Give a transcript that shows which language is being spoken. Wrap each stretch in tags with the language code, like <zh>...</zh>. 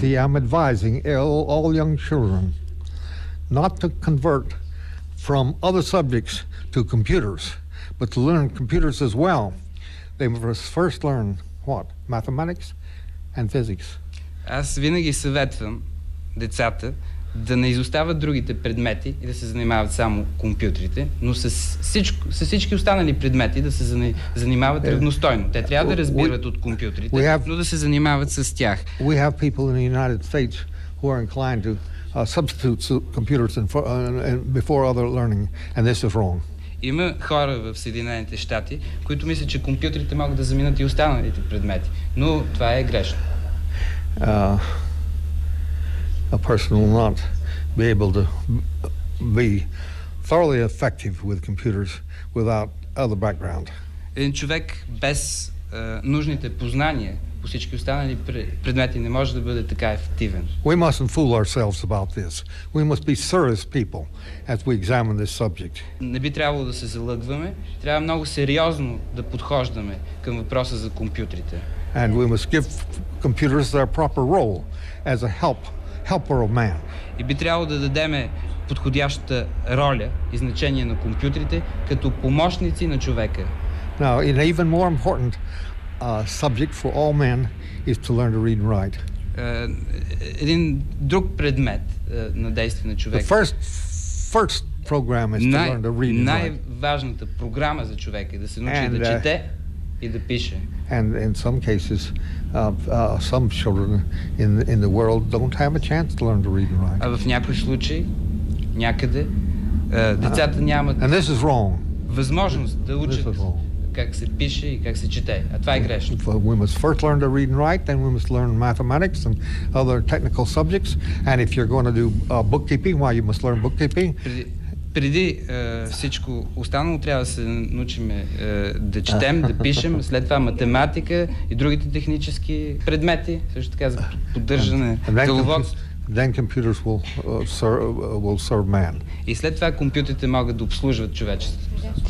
<en>See, I'm advising all young children not to convert from other subjects to computers, but to learn computers as well. They must first learn what? Mathematics and physics.</en> <bg>Аз винаги съветвам децата да не изостават другите предмети и да се занимават само компютрите, но с всички останали предмети да се занимават равностойно. Те трябва да разбират от компютрите, но да се занимават с тях.</bg> <en>We have people in the United States who are inclined to substitute computers and before other learning, and this is wrong.</en> <bg>Има хора в Съединените щати, които мислят, че компютрите могат да заминат и останалите предмети. Но това е грешно.</bg> <en>A person will not be able to be thoroughly effective with computers without other background.</en> <bg>Един човек без нужните познания по всички останали предмети не може да бъде така ефективен.</bg> <en>We mustn't fool ourselves about this. We must be serious people as we examine this subject.</en> <bg>Не би трябвало да се залъгваме. Трябва много сериозно да подхождаме към въпроса за компютрите.</bg> <en>And we must give computers their proper role as a helper of man.</en> <bg>И би трябвало да дадеме подходящата роля и значение на компютрите като помощници на човека.</bg> <en>Now, an even more important subject for all men is to learn to read and write.</en> <bg>Един друг предмет на действие на човека.</bg> <en>The first program is to learn to read and write.</en> <bg>Най-важната програма за човека е да се научи да чете и да пише.</bg> <en>And in some cases, some children in the world don't have a chance to learn to read and write.</en> <bg>А в някои случаи, някъде, децата нямат.</bg> <en>And this is wrong.</en> <bg>Възможност да учат как се пише и как се чете. А това е грешно.</bg> <en>We must first learn to read and write, then we must learn mathematics and other technical subjects. And if you're going to do bookkeeping, why you must learn bookkeeping?</en> <bg>Преди всичко останало трябва да се научим да четем, да пишем, след това математика и другите технически предмети, също така за поддържане деловодство.</bg> <en>Then computers will serve man.</en> <bg>И след това компютрите могат да обслужват човечеството.</bg>